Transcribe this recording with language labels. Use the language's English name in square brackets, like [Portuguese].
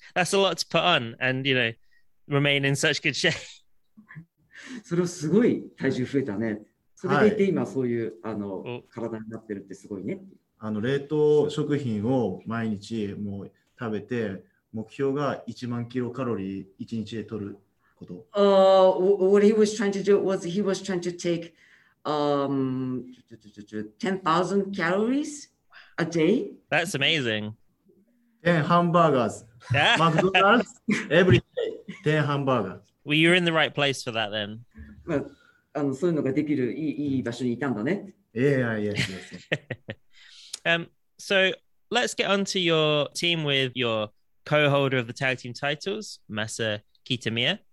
[English] That's a lot to put on, and you know, remain in such good shape. [Japanese] それはすごい体重増えたね。それでいて今そういう、はい、体になってるってすごいね。冷凍食品を毎日もう食べて、目標が1万キロカロリー1日で取ること。 [English] What he was trying to do was he was trying to take 10,000 calories a day. That's amazing. 10 hamburgers. McDonald's every day. 10 hamburgers. Well, you're in the right place for that then. [Japanese] そういうのができるいい場所にいたんだね。 [English] Yeah. So let's get onto your team with your co-holder of the tag team titles, Masa Kitamiya.